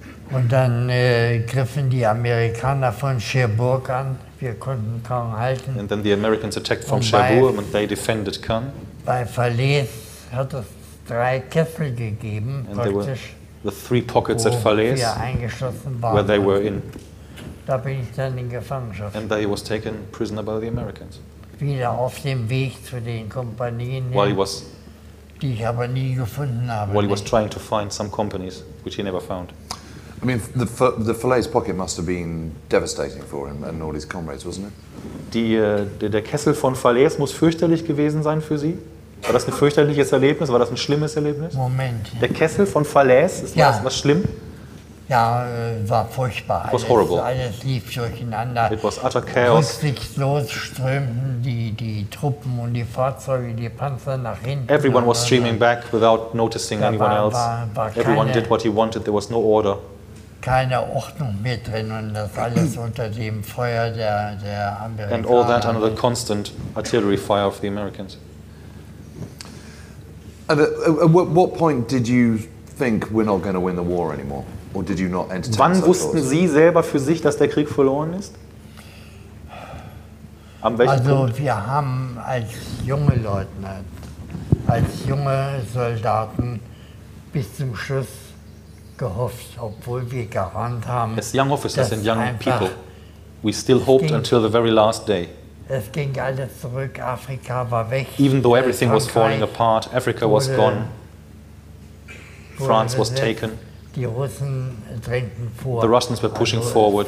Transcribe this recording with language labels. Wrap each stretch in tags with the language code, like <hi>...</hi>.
<de>und dann griffen die Amerikaner von Cherbourg an. Wir konnten kaum halten.</de> <en>And then the Americans attacked from Cherbourg and they defended Caen.</en> <de>Bei Falaise hat es drei Kessel gegeben,</de> <en>and praktisch. The three pockets at Falaise,</en> <de>eingeschlossen waren,</de> <en>where they were in.</en> <de>Da bin ich dann in Gefangenschaft.</de> <en>And that he was taken prisoner by the Americans.</en> <de>Wieder auf dem Weg zu den Kompanien, die ich aber nie gefunden habe.</de> <en>While he was trying to find some companies, which he never found. I mean, the Falaise pocket must have been devastating for him and all his comrades, wasn't it?</en> <de>Der Kessel von Falaise muss fürchterlich gewesen sein für Sie? War das ein fürchterliches Erlebnis? War das ein schlimmes Erlebnis? Moment. Der Kessel von Falaise, ist ja. Das was schlimm? Ja, war furchtbar.</de> <en>It was horrible.</en> <de>Alles lief durcheinander.</de> <en>It was utter chaos.</en> <de>Rücksichtslos strömten die Truppen und die Fahrzeuge, die Panzer nach hinten.</de> <en>Everyone was streaming back without noticing anyone else. Everyone did what he wanted. There was no order.</en> <de>Keine Ordnung mehr drin und das alles unter dem Feuer der Amerikaner.</de> <en>And all that under the constant artillery fire of the Americans. And at what point did you think we're not going to win the war anymore? Or did you not entertain?</en> <de>Wann wussten Sie selber für sich, dass der Krieg verloren ist? An welchem also, Punkt? Also wir haben als junge Soldaten bis zum Schluss gehofft, obwohl wir geahnt haben.</de> <en>As young officers and young people, we still hoped until the very last day.</en> <de>Es ging alles zurück, Afrika war weg.</de> <en>Even though everything was falling apart, Africa was gone. France was taken.</en> <de>Die Russen drängten vor.</de> <en>The Russians were pushing forward.</en>